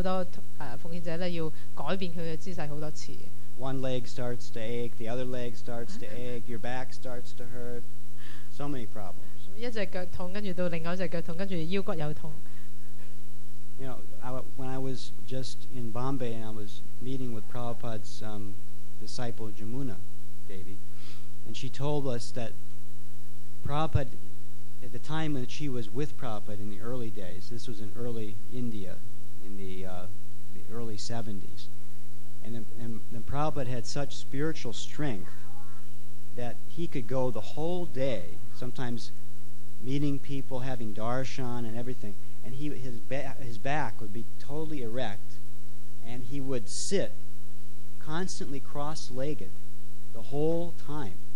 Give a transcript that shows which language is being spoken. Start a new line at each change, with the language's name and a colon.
Chinese: 就算現在我們坐在這裡一個小時,都會有很多奉獻者要改變他的姿勢很多次。
English: One leg starts to ache, the other leg starts to ache, your back starts to hurt. So many problems.
Chinese: 一隻腳痛,然後另一隻腳痛,然後腰骨又痛。
English: You know, when I was just in Bombay and I was meeting with Prabhupada's disciple Jamuna Devi, and she told us that Prabhupada, at the time when she was with Prabhupada in the early days, this was in early India, in the early 70s, and then Prabhupada had such spiritual strength that he could go the whole day, sometimes meeting people, having darshan and everything, and his back would be totally erect, and he would sit constantly cross-legged the whole time.